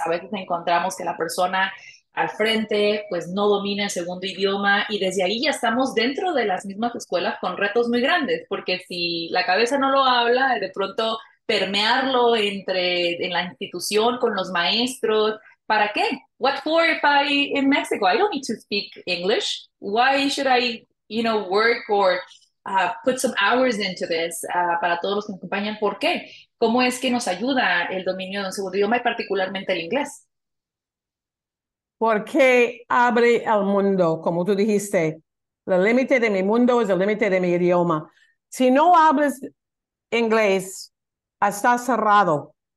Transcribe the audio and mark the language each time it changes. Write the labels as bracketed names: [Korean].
[Spanish] A veces encontramos que la persona al frente pues no domina el segundo idioma y desde ahí ya estamos dentro de las mismas escuelas con retos muy grandes, porque si la cabeza no lo habla, de pronto permearlo en la institución con los maestros. ¿Para qué? [English] What for if I in Mexico? I don't need to speak English. Why should I, you know, work or put some hours into this? [Spanish] Para todos los que me acompañan, ¿por qué? ¿Cómo es que nos ayuda el dominio de un segundo idioma y particularmente el inglés? Porque abre el mundo, como tú dijiste. El límite de mi mundo es el límite de mi idioma. Si no hablas inglés, está cerrado.